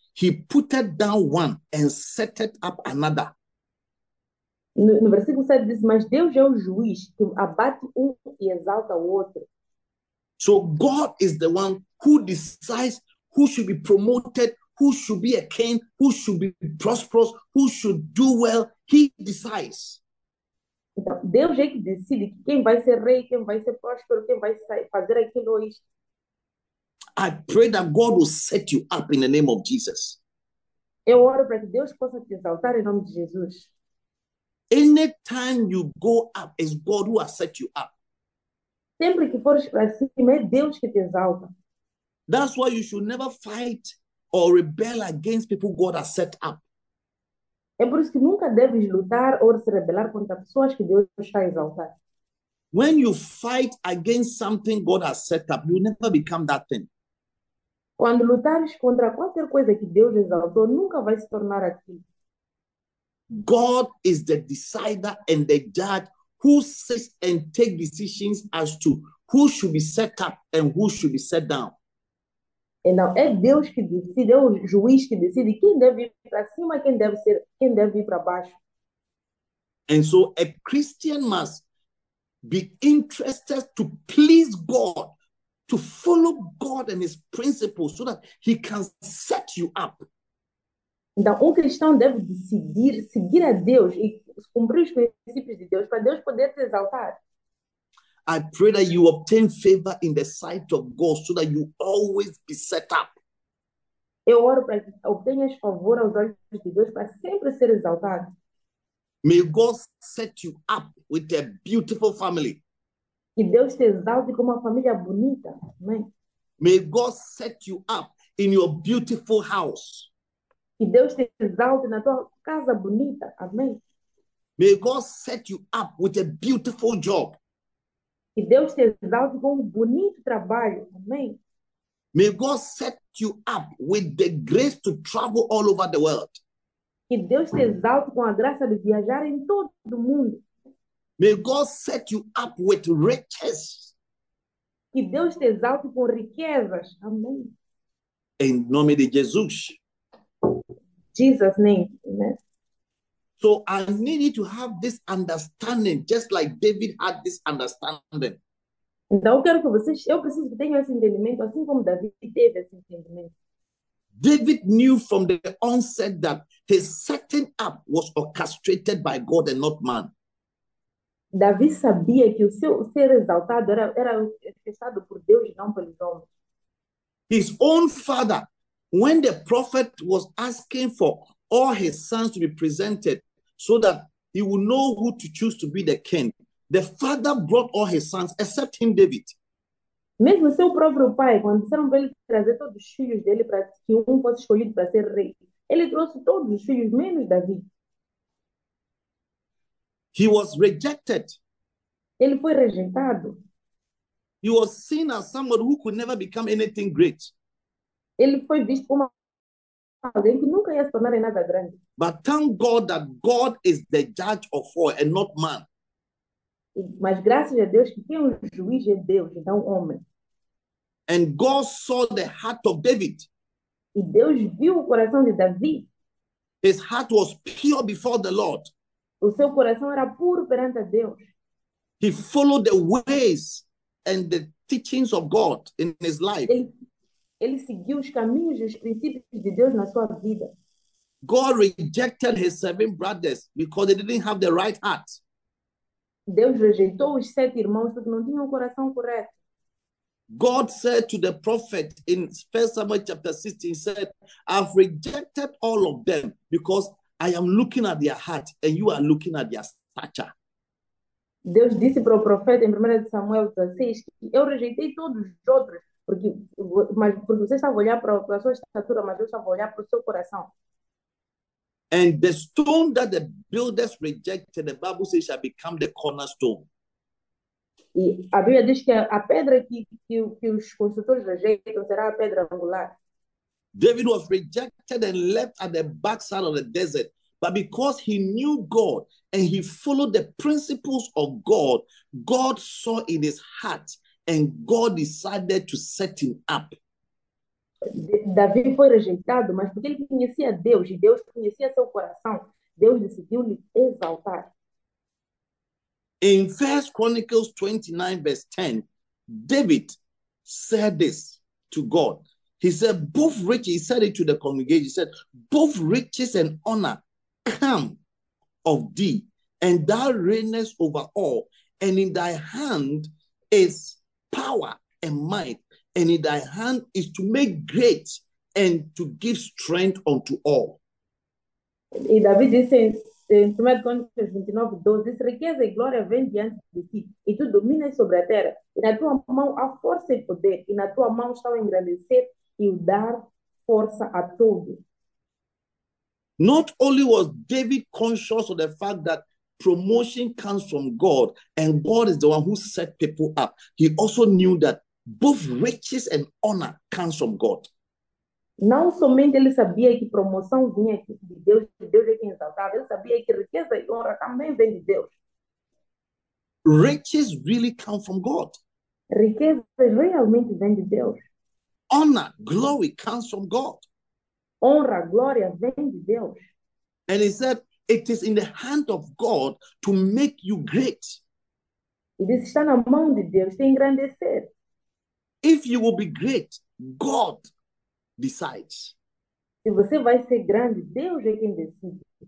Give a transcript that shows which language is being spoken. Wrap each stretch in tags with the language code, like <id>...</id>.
<en>He putteth down one and setteth up another.</en> <pt>No versículo 7 diz, mas Deus é o juiz que abate um e exalta o outro.</pt> <en>So God is the one who decides who should be promoted, who should be a king, who should be prosperous, who should do well. He decides.</en> <pt>Então, Deus é que decide quem vai ser rei, quem vai ser próspero, quem vai fazer aquilo ou isto.</pt> <en>I pray that God will set you up in the name of Jesus.</en> <pt>Eu oro para que Deus possa te exaltar em nome de Jesus.</pt> <en>Anytime you go up, it's God who has set you up.</en> <pt>Sempre que fores para cima, é Deus que te exalta.</pt> <en>That's why you should never fight or rebel against people God has set up.</en> <pt>É por isso que nunca deves lutar ou se rebelar contra pessoas que Deus está a exaltar.</pt> <en>When you fight against something God has set up, you never become that thing.</en> <pt>Quando lutares contra qualquer coisa que Deus exaltou, nunca vai se tornar aquilo.</pt> <en>God is the decider and the judge who sits and takes decisions as to who should be set up and who should be set down.</en> <pt>Então, é Deus que decide, é o juiz que decide quem deve ir para cima, quem deve ir para baixo.</pt> <en>And so a Christian must be interested to please God, to follow God and his principles so that he can set you up.</en> <pt>Então, um cristão deve decidir seguir a Deus e cumprir os princípios de Deus para Deus poder te exaltar.</pt> <en>I pray that you obtain favor in the sight of God so that you always be set up.</en> <pt>Eu oro para que obtenhas favor aos olhos de Deus para sempre ser exaltado.</pt> <en>May God set you up with a beautiful family.</en> <pt>Que Deus te exalte com uma família bonita. Amém.</pt> <en>May God set you up in your beautiful house.</en> <pt>Que Deus te exalte na tua casa bonita. Amém.</pt> <en>May God set you up with a beautiful job.</en> <pt>Que Deus te exalte com um bonito trabalho. Amém.</pt> <en>May God set you up with the grace to travel all over the world.</en> <pt>Que Deus te exalte com a graça de viajar em todo o mundo.</pt> <en>May God set you up with riches.</en> <pt>Que Deus te exalte com riquezas. Amém. Em nome de Jesus.</pt> <en>Jesus' name. So I need you to have this understanding, just like David had this understanding.</en> <pt>Então eu quero que vocês, eu preciso que tenham esse entendimento, assim como David teve esse entendimento.</pt> <en>David knew from the onset that his setting up was orchestrated by God and not man.</en> <pt>Davi sabia que o seu ser exaltado era orquestrado por Deus e não pelos homens.</pt> <en>His own father, when the prophet was asking for all his sons to be presented so that he would know who to choose to be the king, the father brought all his sons except him, David.</en> <pt>Mesmo seu próprio pai, quando disseram para ele trazer todos os filhos dele para que um fosse escolhido para ser rei, ele trouxe todos os filhos, menos Davi.</pt> <en>He was rejected.</en> <pt>Ele foi rejeitado.</pt> <en>He was seen as someone who could never become anything great.</en> <pt>Ele foi visto como alguém que nunca ia se tornar em nada grande.</pt> <en>But thank God that God is the judge of all and not man.</en> <pt>Mas graças a Deus que tem um juiz é Deus, e não homem.</pt> <en>And God saw the heart of David.</en> <pt>E Deus viu o coração de Davi.</pt> <en>His heart was pure before the Lord.</en> <pt>O seu coração era puro perante a Deus.</pt> <en>He followed the ways and the teachings of God in his life.</en> <pt>Ele seguiu os caminhos e os princípios de Deus na sua vida.</pt> <en>God rejected his seven brothers because they didn't have the right heart.</en> <pt>Deus rejeitou os sete irmãos porque não tinham o coração correto.</pt> <en>God said to the prophet in 1 Samuel chapter 16, he said, I've rejected all of them because I am looking at their heart and you are looking at their stature.</en> <pt>Deus disse para o profeta em 1 Samuel 16 que eu rejeitei todos os outros porque você estava a olhar para a sua estatura, mas eu estava a olhar para o seu coração.</pt> <en>And the stone that the builders rejected, the Bible says, shall become the cornerstone.</en> <pt>E a Bíblia diz que a pedra que os construtores rejeitam será a pedra angular.</pt> <en>David was rejected and left at the backside of the desert. But because he knew God and he followed the principles of God, God saw in his heart and God decided to set him up.</en> <pt>Davi foi rejeitado, mas porque ele conhecia Deus e Deus conhecia seu coração, Deus decidiu lhe exaltar.</pt> <en>In 1 Chronicles 29, verse 10, David said this to God. He said, both riches, he said it to the congregation, he said, both riches and honor come of thee, and thou reignest over all, and in thy hand is power and might, and in thy hand is to make great and to give strength unto all.</en> <pt>E Davi disse em 1 Coríntios 29, 12: Riqueza e glória vêm diante de ti, e tu dominas sobre a terra, e na tua mão há força e poder, e na tua mão está o engrandecer e o dar força a todos.</pt> <en>Not only was David conscious of the fact that promotion comes from God and God is the one who set people up, he also knew that both riches and honor comes from God.</en> <pt>Não somente ele sabia que promoção vinha de Deus, que Deus é quem exaltava, ele sabia que riqueza e honra também vem de Deus.</pt> <en>Riches really come from God.</en> <pt>Riqueza realmente vem de Deus.</pt> <en>Honor, glory comes from God.</en> <pt>Honra, glória vem de Deus.</pt> <en>And he said, it is in the hand of God to make you great.</en> <pt>E diz, está na mão de Deus, tem engrandecer.</pt> <en>If you will be great, God decides.</en> <pt>Se você vai ser grande, Deus é quem decide.</pt>